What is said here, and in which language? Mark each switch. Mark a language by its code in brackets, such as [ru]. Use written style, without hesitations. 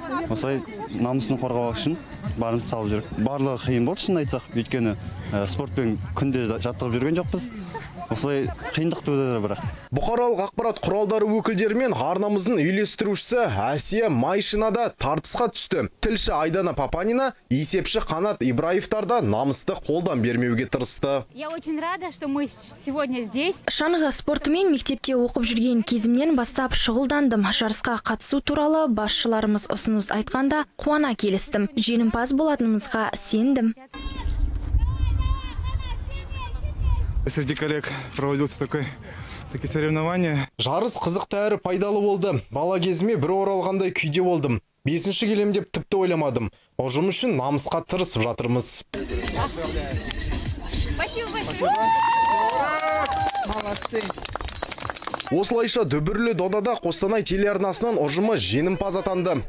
[kk] Осылай намысын қорғау үшін барымыз салып жүр. Барлығы қиын болды шын айтсақ, өйткені спортпен күнде жаттығып жүрген жоқпыз. Осылай қиындық туды бірақ. Бұқаралық ақпарат құралдары өкілдерімен арнамыздың үйлестірушісі Әсия Майшина да тартысқа түсті. Тілші Айдана Папанина, есепші Қанат Ибраевтар да намысты қолдан бермеуге тырысты. [ru] Я очень рада, что мы сегодня здесь. [kk] Шаңғы спортымен мектепте оқып жүрген кезімнен бастап шұғылдандым. Жарысқа қатысу туралы басшыларымыз ұсыныс айтқанда қуана келістім. Жеңімпаз болатынымызға сендім. [ru] Среди коллег проводился такой такие соревнования. [kk] Жарыс қызықты әрі пайдалы болды. Бала кезіме бір оралғандай күйде болдым. Бесінші келем деп тіпті ойламадым. Ұжым үшін намысқа тырысып жатырмыз. Осылайша дүбірлі додада Қостанай телеарнасынан ұжымы жеңімпаз атанды.